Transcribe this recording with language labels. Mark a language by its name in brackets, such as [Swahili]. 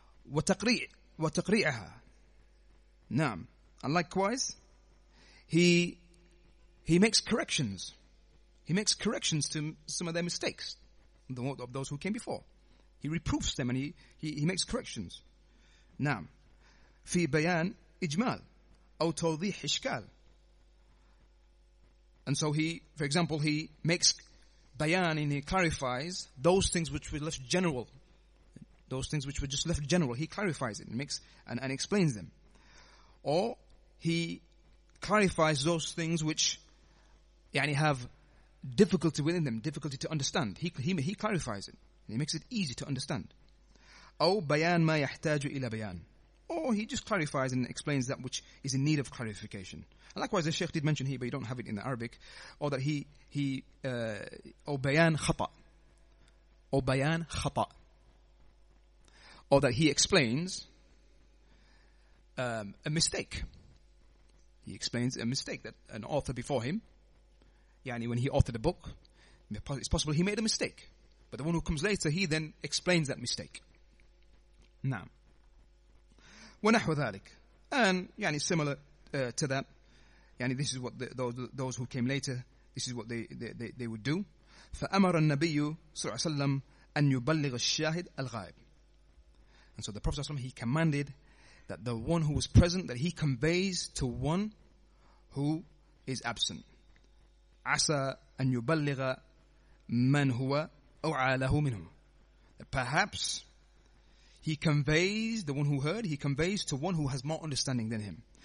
[Arabic] وَتَقْرِيعَهَا نعم. [English] And likewise, he makes corrections. He makes corrections to some of their mistakes, of those who came before. He reproofs them and he makes corrections. نعم. [Arabic] في بيان إجمال أو توضيح إشكال. [English] And so he, for example, he makes bayan and he clarifies those things which were left general. Those things which were just left general. He clarifies it and makes and explains them. Or he clarifies those things which يعني have difficulty within them, difficulty to understand. He clarifies it. He makes it easy to understand. [Arabic] أو بيان ما يحتاج إلى بيان. [English] Or he just clarifies and explains that which is in need of clarification. And likewise, the Sheikh did mention here, but you don't have it in the Arabic, or that he [Arabic] أو بيان خطأ. أو بيان خطأ. [English] Or that he explains a mistake. He explains a mistake that an author before him, يعني when he authored a book, it's possible he made a mistake. But the one who comes later, he then explains that mistake. [Arabic] نعم. ونحو ذلك. [English] And يعني similar to that, يعني this is what those who came later, this is what they would do. [Arabic] فأمر النبي صلى الله عليه وسلم أن يبلغ الشاهد الغائب. [English] And so the Prophet ﷺ, he commanded that the one who was present, that he conveys to one who is absent. [Arabic] عَسَىٰ أَن يُبَلِّغَ مَنْ هُوَ أَوْعَى لَهُ مِنْهُمْ. [English] Perhaps he conveys, the one who heard, he conveys to one who has more understanding than him.